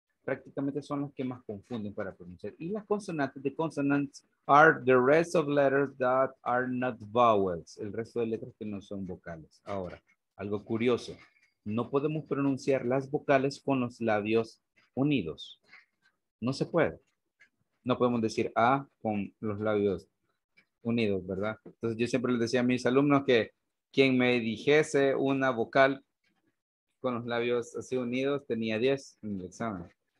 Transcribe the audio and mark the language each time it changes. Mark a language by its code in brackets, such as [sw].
[es] Prácticamente son las que más confunden para pronunciar. Y las consonantes, [en] the consonants are the rest of letters that are not vowels. [es] El resto de letras que no son vocales. Ahora, algo curioso. No podemos pronunciar las vocales con los labios unidos. No se puede. No podemos decir A con los labios unidos, ¿verdad? Entonces yo siempre les decía a mis alumnos que quien me dijese una vocal con los labios así unidos tenía 10 en el examen.